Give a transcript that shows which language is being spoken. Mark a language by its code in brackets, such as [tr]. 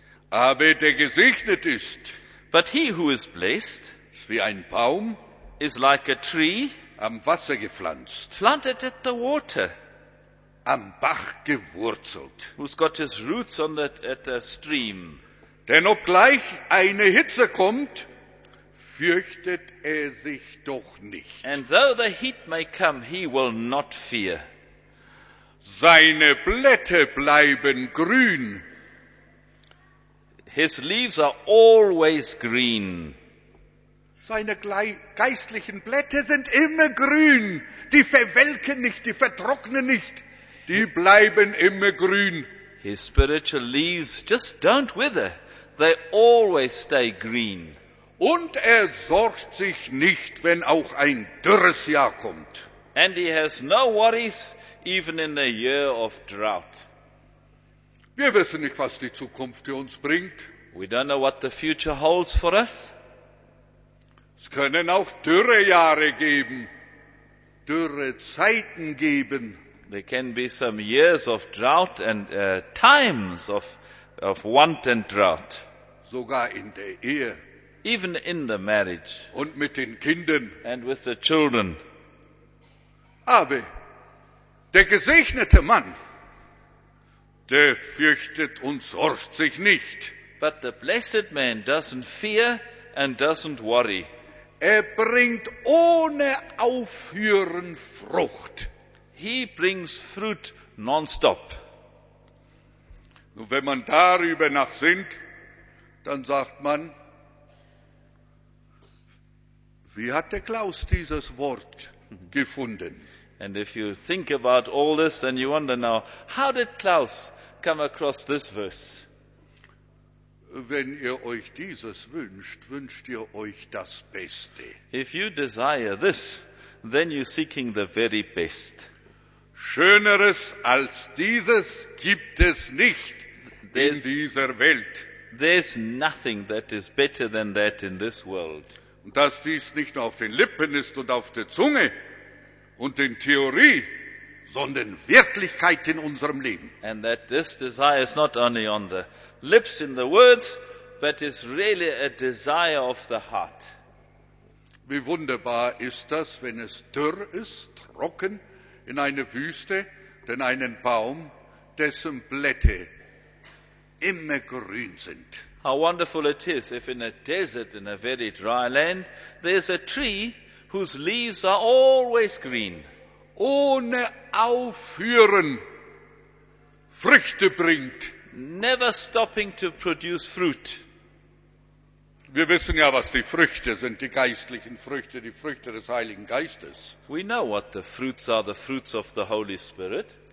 [de] Aber der gesegnet ist. [en] But he who is blessed. [de] Ist wie ein Baum. [en] Is like a tree. [de] Am Wasser gepflanzt. [en] Planted at the water. [de] Am Bach gewurzelt. [en] Who's got his roots on that, at the stream. [de] Denn obgleich eine Hitze kommt, fürchtet er sich doch nicht. [en] And though the heat may come, he will not fear. [de] Seine Blätter bleiben grün. [en] His leaves are always green. [de] Seine geistlichen Blätter sind immer grün. Die verwelken nicht, die vertrocknen nicht. Die bleiben immer grün. [en] His spiritual leaves just don't wither. They always stay green. [de] Und er sorgt sich nicht, wenn auch ein dürres Jahr kommt. [en] And he has no worries even in a year of drought. [de] Wir wissen nicht, was die Zukunft für uns bringt. [en] We don't know what the future holds for us. [de] Es können auch dürre Jahre geben, dürre Zeiten geben. [en] There can be some years of drought and times of want and drought. [de] Sogar in der Ehe. [en] Even in the marriage. [de] Und mit den Kindern. [en] And with the children. [de] Aber der gesegnete Mann, der fürchtet und sorgt sich nicht. [en] But the blessed man doesn't fear and doesn't worry. [de] Er bringt ohne Aufhören Frucht. [en] He brings fruit non-stop. [de] Nun, wenn man darüber nachsinnt, dann sagt man, wie hat der Klaus dieses Wort gefunden? [en] And if you think about all this, then you wonder now, how did Klaus come across this verse? [de] Wenn ihr euch dieses wünscht, wünscht ihr euch das Beste. [en] If you desire this, then you're seeking the very best. [de] Schöneres als dieses gibt es nicht in dieser Welt. [en] There's nothing that is better than that in this world. [de] Und dass dies nicht nur auf den Lippen ist und auf der Zunge und in Theorie, sondern Wirklichkeit in unserem Leben. [en] And that this desire is not only on the lips in the words, but is really a desire of the heart. [de] Wie wunderbar ist das, wenn es dürr ist, trocken, in eine Wüste, denn einen Baum, dessen Blätter immer grün sind. [en] How wonderful it is if in a desert, in a very dry land, there's a tree whose leaves are always green. [de] Ohne aufhören Früchte bringt. [en] Never stopping to produce fruit. [de] Wir wissen ja, was die Früchte sind, die geistlichen Früchte, die Früchte des Heiligen Geistes. [en] We know what the fruits are, the fruits of the Holy Spirit.